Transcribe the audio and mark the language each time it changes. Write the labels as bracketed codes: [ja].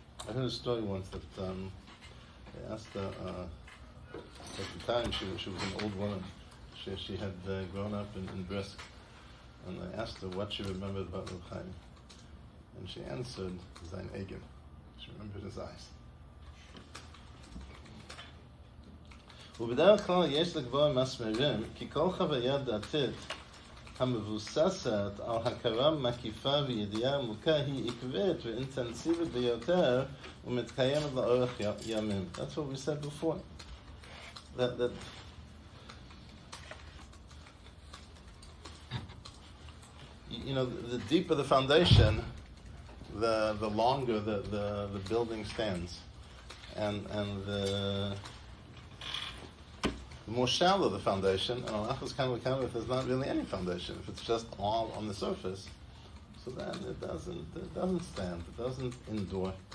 [en] I heard a story once that they asked her, at the time she was an old woman, she had grown up in Brisk, and they asked her what she remembered about Reb Chaim, and she answered, [yi] "Sein Egen." [en] She remembered his eyes. [he] ובדרך כלל יש לגבור מסמרים, כי כל חוויה דתית המבוססת על הכרה מקיפה וידיעה עמוקה היא עקבית ואינטנסיבית ביותר ומתקיימת לאורך ימים. [en] That's what we said before. That you know, the deeper the foundation, the longer the building stands, and the more shallow the foundation, and Alachas Kamakamah, if there's not really any foundation, if it's just all on the surface, so then it doesn't stand, it doesn't endure.